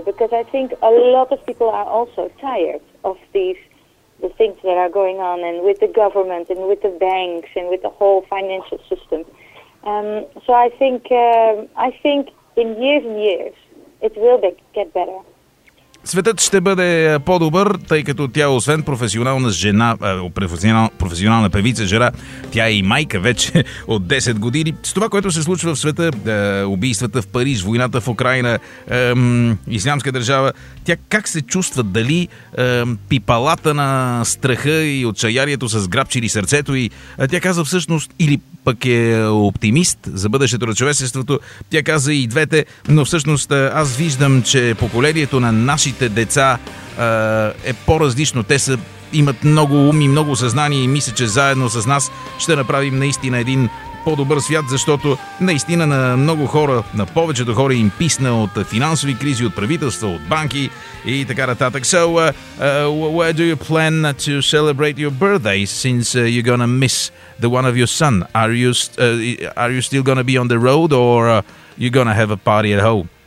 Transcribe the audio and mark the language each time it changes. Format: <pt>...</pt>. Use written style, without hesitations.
<en>Because I think a lot of people are also tired of the things that are going on, and with the government and with the banks and with the whole financial system. So I think in years and years it will get better.</en> <bg>Светът ще бъде по-добър, тъй като тя освен професионална жена, професионална певица жена, тя е и майка вече от 10 години. С това, което се случва в света, убийствата в Париж, войната в Украина, ислямска държава, тя как се чувства, дали пипалата на страха и отчаянието са сграбчили сърцето и тя каза всъщност, или пък е оптимист за бъдещето на човечеството, тя каза и двете, но всъщност аз виждам, че поколението на нашите деца е по-различно. Те са, имат много ум и много съзнание и мисля, че заедно с нас ще направим наистина един по-добър свят, защото наистина на много хора, на повечето хора им писна от финансови кризи, от правителства, от банки и така нататък.</bg> <en>So, where do you plan to celebrate your birthday since you're gonna miss the one of your son? Are you still gonna be on the road or you're gonna have a party at home?</en>